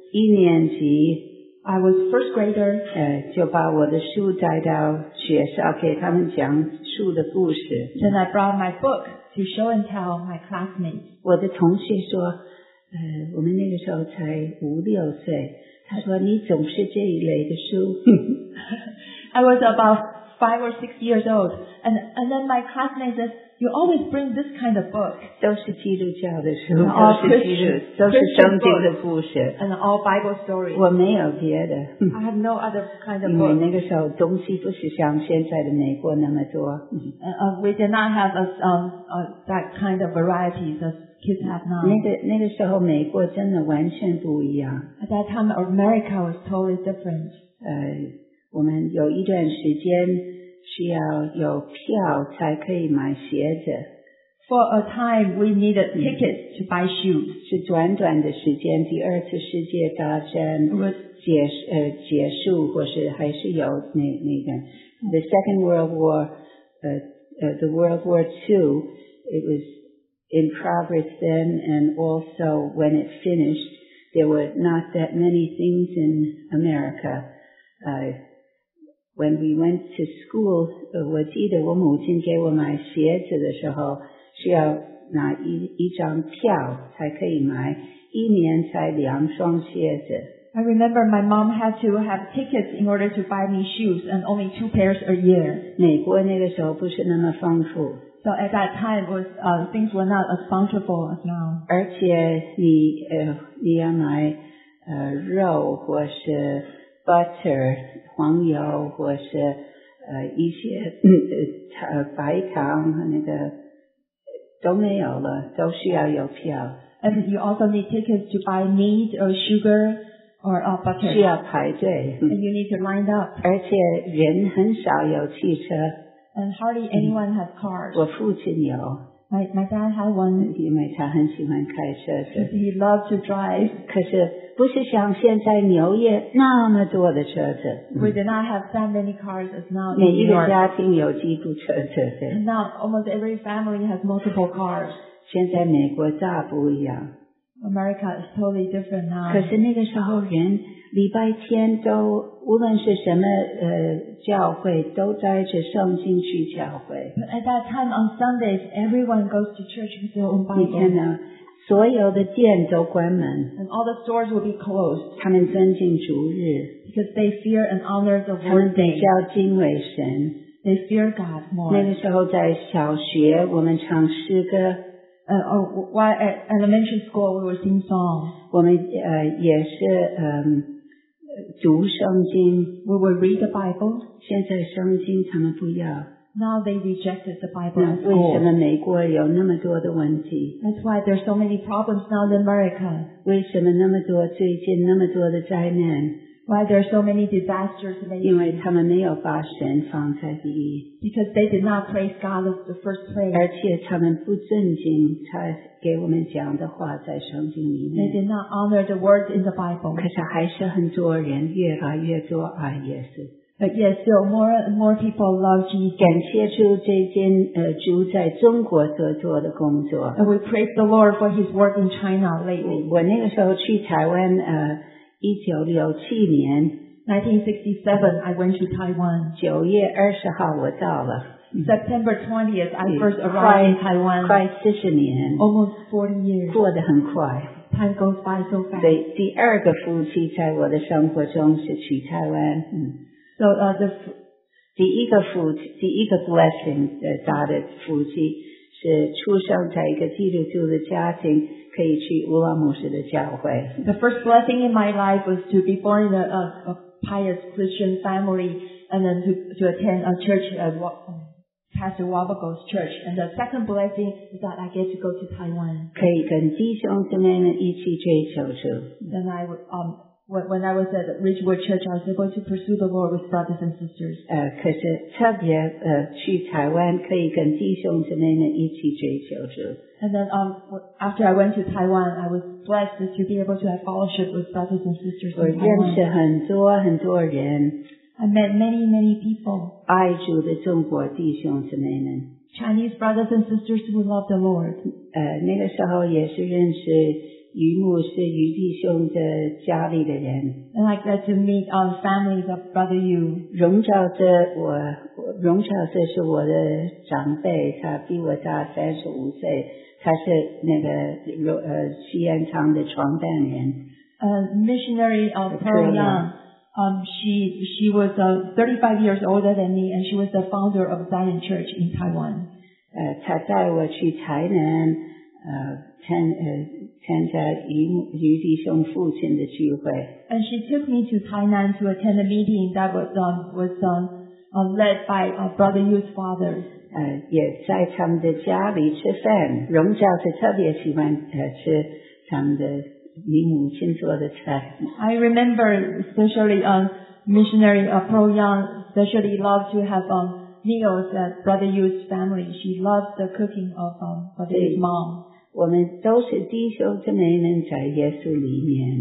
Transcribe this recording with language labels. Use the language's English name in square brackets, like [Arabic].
[Chinese] 一年级 [English] I was first grader. [Chinese] 就把我的书带到学校给他们讲书的故事。 [English] Then I brought my book to show and tell my classmates. [Chinese] 我的同学说我们那个时候才五六岁，他说你总是这一类的书。 [English] I was about 5 or 6 years old, and then my classmate said, you always bring this kind of book. [Chinese] 都是基督教的书， [English] all [Chinese] 都是基督， [English] Christian, [Chinese] 都是圣经的故事。 [English] And all Bible stories. [Chinese] 我没有别的。 [English] I have no other kind of book. [Chinese] 因为那个时候东西不是像现在的美国那么多。 [English] We did not have that kind of varieties as kids have now. [Chinese] 那个时候美国真的完全不一样。 [English] At that time, America was totally different. [Chinese] 我们有一段时间需要有票才可以买鞋子。 [English] For a time, we needed tickets to buy shoes. [Chinese] 是短短的时间，第二次世界大战结束，或是还是有那个 [English] the Second World War, the World War II, it was in progress then, and also when it finished, there were not that many things in America. When we went to school, [Chinese] 我记得我母亲给我买鞋子的时候，需要拿一张票才可以买，一年才两双鞋子。 [English] I remember my mom had to have tickets in order to buy me shoes, and only 2 pairs a year. [Chinese] 美国那个时候不是那么丰富。 [English] So at that time, things were not as bountiful as now. [Chinese] 而且你要买肉或是butter, 黄油或是一些白糖那个都没有了，都需要有票。 [English] And you also need tickets to buy meat or sugar or butter. [Chinese] 需要排队。 [English] And you need to line up. [Chinese] 而且人很少有汽车。 [English] And hardly anyone has cars. [Chinese] 我父亲有。 [English] My dad had one. [Chinese] 因为他很喜欢开车。 [English] He loved to drive. [Chinese] 可是不是像现在纽约那么多的车子。 [English] We did not have that many cars as now. [Chinese] 每一个家庭有几部车子。 [English] Now almost every family has multiple cars. [Chinese] 现在美国大不一样。 [English] America is totally different now. [Chinese] 可是那个时候人礼拜天都无论是什么教会都带着圣经去教会。 [English] But at that time on Sundays, everyone goes to church with their own Bible. [Chinese] 你看呢？所有的店都关门。 [English] And all the stores will be closed. [Chinese] 他们尊敬主日。 [English] Because they fear and honor the Lord. [Chinese] 他们比较敬畏神。 [English] They fear God more. [Chinese] 那个时候在小学，我们唱诗歌。 [English] While at elementary school, we would sing songs. [Chinese] 我们也是读圣经。 [English] We would read the Bible. [Chinese] 现在圣经他们不要。 [English] Now they rejected the Bible. [Chinese] 那为什么美国有那么多的问题？ [English] That's why there are so many problems now in America. [Chinese] 为什么那么多最近那么多的灾难？ [English] Why there are so many disasters lately? [Chinese] 因为他们没有把神放在第一。 [English] Because they did not praise God as the first place. [Chinese] 而且他们不尊敬他给我们讲的话在圣经里面。 [English] They did not honor the words in the Bible. [Chinese] 可是还是很多人越来越多爱耶稣。 [English] But yes, still more and more people love Jesus. [Chinese] 感谢主这件主在中国所做的工作。 [English] And we praise the Lord for his work in China lately. [Chinese] 我那个时候去台湾1967年 [English] 1967, I went to Taiwan. [Chinese] 9月20号我到了。 [English] September 20th, I first arrived in Taiwan. [Chinese] 快40年。 [English] Almost 40 years. [Chinese] 过得很快。 [English] Time goes by so fast. [Chinese] 对，第二个夫妻在我的生活中是去台湾。嗯。 [English] So, the blessing, [Chinese] 大的福气是出生在一个基督徒的家庭，可以去乌拉姆市的教会。 [English] The first blessing in my life was to be born in a pious Christian family and then to attend a church at Pastor Wabago's church. And the second blessing is that I get to go to Taiwan. [Chinese] 可以跟弟兄姊妹们一起追求主。 [English] Then I when I was at Ridgewood Church, I was able to pursue the Lord with brothers and sisters. [Chinese] 可是特别去台湾可以跟弟兄姊妹们一起追求主。 [English] And then after I went to Taiwan, I was blessed to be able to have fellowship with brothers and sisters in Taiwan. [Chinese] 我认识很多很多人。 [English] I met many, many people. [Chinese] 爱主的中国弟兄姊妹们。 [English] Chinese brothers and sisters who love the Lord. [Chinese] 那个时候也是认识于牧师于弟兄的家里的人。 [English] And I got to meet our families of Brother Yu. [Chinese] 荣兆哲是我的长辈，他比我大35岁，他是那个西安昌的创办人。 [English] Missionary Pearl Young, she was 35 years older than me, and she was the founder of Zion Church in Taiwan. [Chinese] 他带我去台南参加余弟兄父亲的聚会。 [English] And she took me to Tainan to attend a meeting that was led by Brother Yu's father. [Chinese] 也在他们的家里吃饭，荣教是特别喜欢吃他们的余母亲做的菜。 [English] I remember especially missionary Pearl Young especially loved to have meals at Brother Yu's family. She loved the cooking of Brother Yu's mom. [Chinese] 我们都是弟兄姊妹们在耶稣里面。